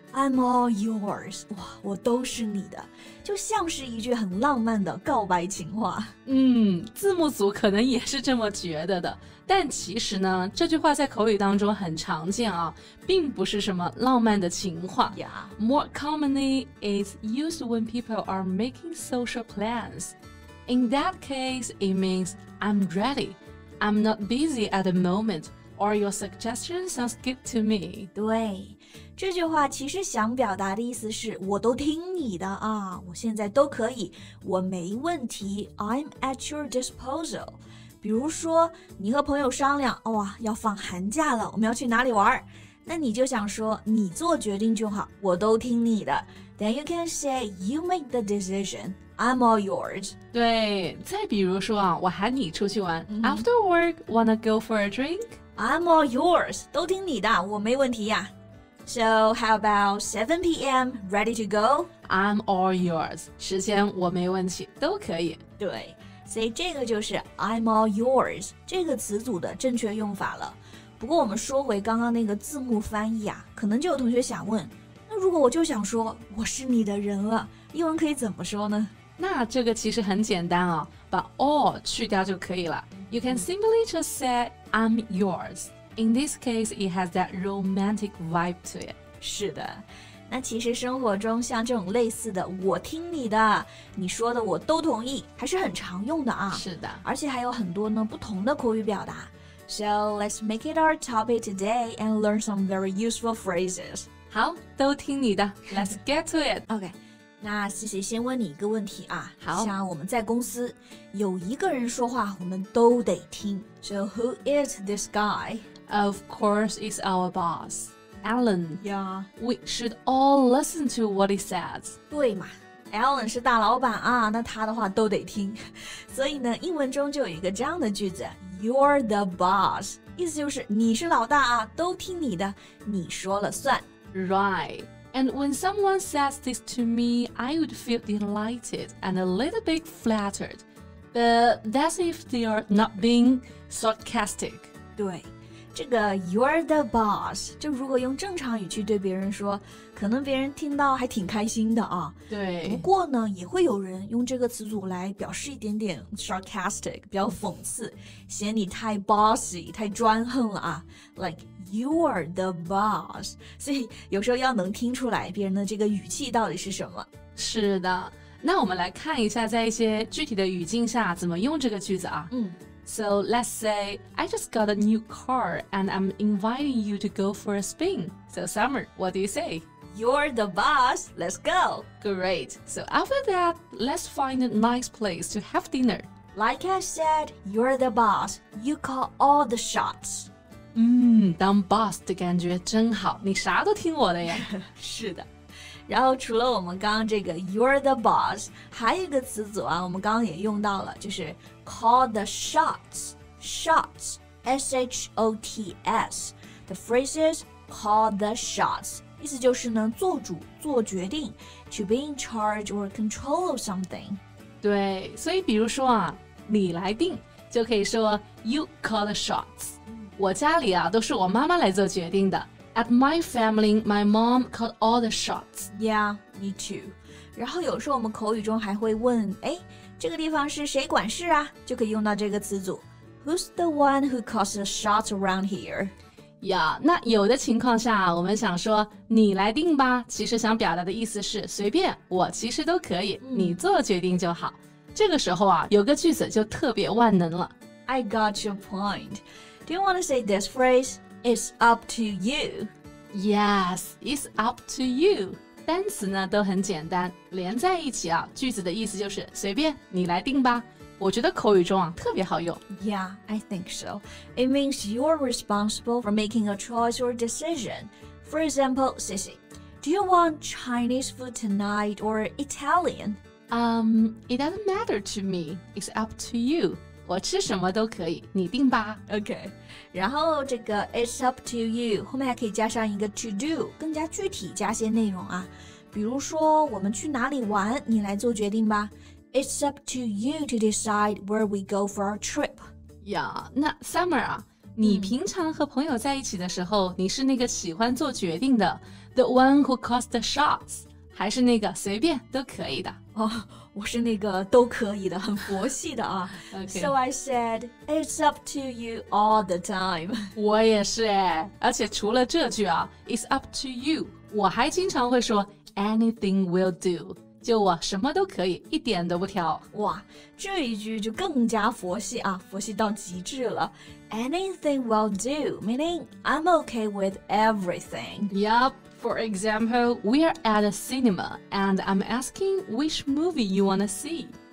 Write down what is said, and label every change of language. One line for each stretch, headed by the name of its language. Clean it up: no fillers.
English: I'm all yours.
Chinese: 哇，我都是你的，就像是一句很浪漫的告白情话。嗯，字幕组可能也是这么觉得的。但其实呢，这句话在口语当中很常见啊，并不是什么浪漫的情话。
English: Yeah. More commonly, it's used when people are making social plans. In that case, it means I'm ready. I'm not busy at the moment. Or your suggestion sounds good to me.
Chinese: 对，这句话其实想表达的意思是我都听你的啊，我现在都可以，我没问题。
English: I'm at your disposal.
Chinese: 比如说，你和朋友商量，哇，要放寒假了，我们要去哪里玩？那你就想说，你做决定就好，我都听你的。
English: Then you can say, you make the decision. I'm all yours.
Chinese: 对，再比如说啊，我喊你出去玩、
English: mm-hmm. After work, wanna go for a drink? I'm all yours.
Chinese: 都听你的，我没问题呀。
English: So, how about 7 p.m. ready to go? I'm all yours.
Chinese: 时间我没问题，都可以。对，所以这个就是 I'm all yours 这个词组的正确用法了。不过我们说回刚刚那个字幕翻译啊，可能就有同学想问，那如果我就想说我是你的人了，英文可以怎么说呢？那这个其实很简单哦，把 all 去掉就可以了。
English: You can simply just say I'm yours. In this case, it has that romantic vibe to it.
Chinese: 是的，那其实生活中像这种类似的，我听你的，你说的我都同意，还是很常用的啊。是的，而且还有很多呢不同的口语表达。
English: So let's make it our topic today and learn some very useful phrases.
Chinese: 好，都听你的。
English: Let's get to it. OK.
Chinese: 那谢谢先问你一个问题啊，好，像我们在公司有一个人说话我们都得听，
English: So who is this guy? Of course it's our boss, Alan. Yeah. We should all listen to what he says.
Chinese: 对嘛， Alan 是大老板啊，那他的话都得听。所以呢，英文中就有一个这样的句子， You're the boss. 意思就是你是老大啊，都听你的，你说了算。
English: Right. And when someone says this to me, I would feel delighted and a little bit flattered. But that's if they are not being sarcastic.
Chinese: 对，这个 you're the boss, 就如果用正常语去对别人说，可能别人听到还挺开心的啊。对。不过呢，也会有人用这个词组来表示一点点 sarcastic, 比较讽刺，嫌你太 bossy, 太专横了啊。
English: Like,You are the boss.
Chinese: 所以有时候要能听出来别人的这个语气到底是什么。是的，那我们来看一下在一些具体的语境下怎么用这个句子啊。嗯。
English: So let's say, I just got a new car and I'm inviting you to go for a spin. So Summer, what do you say? You're the boss, let's go. Great. So after that, let's find a nice place to have dinner. Like I said, you're the boss, you call all the shots.
Chinese: 嗯，当 boss 的感觉真好，你啥都听我的呀。是的，然后除了我们刚刚这个 you're the boss, 还有一个词组啊，我们刚刚也用到了，就是 call the shots, shots, S-H-O-T-S,
English: the phrase is call the shots,
Chinese: 意思就是呢，做主，做决定，
English: to be in charge or control of something.
Chinese: 对，所以比如说啊，你来定，就可以说 you call the shots. 我家里啊都是我妈妈来做决定的。
English: At my family, my mom called all the shots. Yeah, me too.
Chinese: 然后有时候我们口语中还会问，哎，这个地方是谁管事啊，就可以用到这个词组，
English: Who's the one who calls the shots around here?
Chinese: Yeah, 那有的情况下啊，我们想说你来定吧，其实想表达的意思是随便，我其实都可以，你做决定就好。这个时候啊，有个句子就特别万能了。
English: I got your pointDo you want to say this phrase? It's up to you. Yes, it's up to you.
Chinese: 单词呢都很简单，连在一起啊，句子的意思就是随便你来定吧。我觉得口语中啊特别好用。
English: Yeah, I think so. It means you're responsible for making a choice or decision. For example, Sissy, do you want Chinese food tonight or Italian? It doesn't matter to me. It's up to you.
Chinese: 我吃什么都可以，你定吧。 OK. 然后这个 It's up to you 后面还可以加上一个 to do， 更加具体加些内容啊。比如说我们去哪里玩，你来做决定吧。
English: It's up to you to decide where we go for our trip.
Chinese: Yeah, 那 Summer 啊，你平常和朋友在一起的时候，你是那个喜欢做决定的 ，
English: the one who calls the shots，
Chinese: 还是那个随便都可以的？哦，我是那个都可以的，很佛系的啊。
English: Okay. So I said, it's up to you all the time.
Chinese: 我也是哎，而且除了这句啊 ，it's up to you， 我还经常会说 anything will do。就我什么都可以，一点都不挑。哇，这一句就更加佛系啊，佛系到极致了。
English: Anything will do, meaning I'm okay with everything. Yup, for example, we are at a cinema and I'm asking which movie you wanna see.